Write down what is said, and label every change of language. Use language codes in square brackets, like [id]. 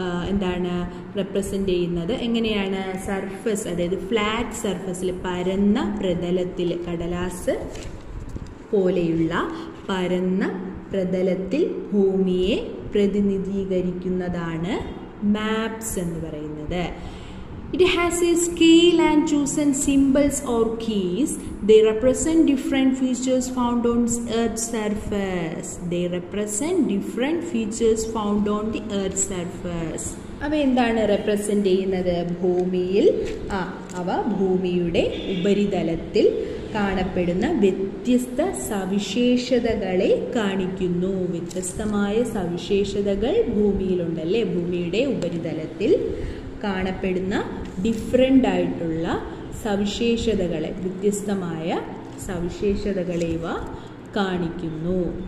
[ml] എന്താണ് റെപ്രസെൻ്റ് ചെയ്യുന്നത്? എങ്ങനെയാണ് സർഫസ്, അതായത് ഫ്ലാറ്റ് സർഫസിൽ, പരന്ന പ്രതലത്തിൽ, കടലാസ് പോലെയുള്ള പരന്ന പ്രതലത്തിൽ ഭൂമിയെ പ്രതിനിധീകരിക്കുന്നതാണ് മാപ്സ് എന്ന് പറയുന്നത്. [en] It has a scale and chosen symbols or keys. They represent different features found on Earth's surface. They represent different features found on the Earth's surface. [ml] അവ എന്താണ് റെപ്രസെൻ്റ് ചെയ്യുന്നത്? ഭൂമിയിൽ, അവ ഭൂമിയുടെ ഉപരിതലത്തിൽ കാണപ്പെടുന്ന വ്യത്യസ്ത സവിശേഷതകളെ കാണിക്കുന്നു. വ്യത്യസ്തമായ സവിശേഷതകൾ ഭൂമിയിലുണ്ടല്ലേ, ഭൂമിയുടെ ഉപരിതലത്തിൽ കാണപ്പെടുന്ന ഡിഫറെൻ്റ് ആയിട്ടുള്ള സവിശേഷതകളെ, വ്യത്യസ്തമായ സവിശേഷതകളെ ഇവ കാണിക്കുന്നു.